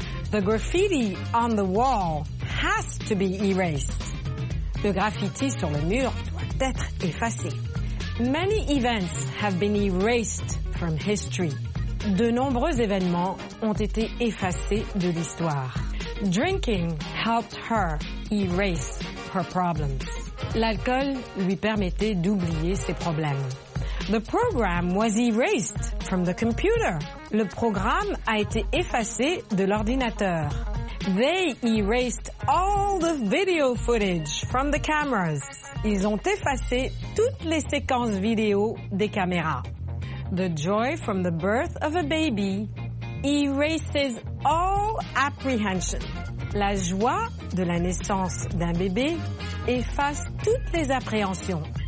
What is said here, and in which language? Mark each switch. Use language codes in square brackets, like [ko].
[en] The graffiti on the wall has to be erased. [fr] Le graffiti sur le mur doit être effacé. Many events have been erased from history. De nombreux événements ont été effacés de l'histoire. [en] Drinking helped her erase her problems. [fr] L'alcool lui permettait d'oublier ses problèmes. The program was erased from the computer. Le programme a été effacé de l'ordinateur. [en] They erased all the video footage from the cameras. [fr] Ils ont effacé toutes les séquences vidéo des caméras. [en] The joy from the birth of a baby erases all apprehension. [fr] La joie de la naissance d'un bébé efface toutes les appréhensions.